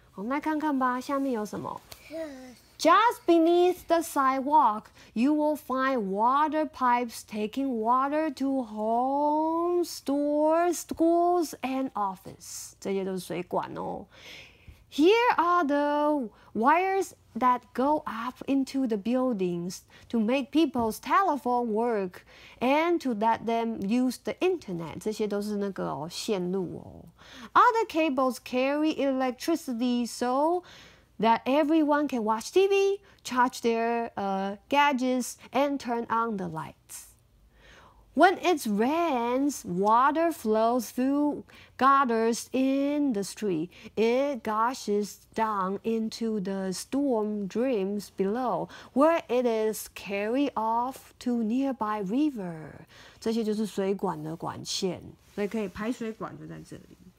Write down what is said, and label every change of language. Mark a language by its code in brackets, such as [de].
[zh] 我们来看看吧，下面有什么？ [en] Just beneath the sidewalk, you will find water pipes taking water to homes, stores, schools, and offices. [zh] 这些都是水管哦。 [en] Here are the wires that go up into the buildings to make people's telephone work and to let them use the internet. [zh] 这些都是那个线路哦。 [en] Other cables carry electricity so that everyone can watch TV, charge their gadgets, and turn on the lights. When it rains, water flows through gutters in the street. It gushes down into the storm drains below, where it is carried off to nearby river. [zh] 这些就是水管的管线，所以可以排水管就在这里。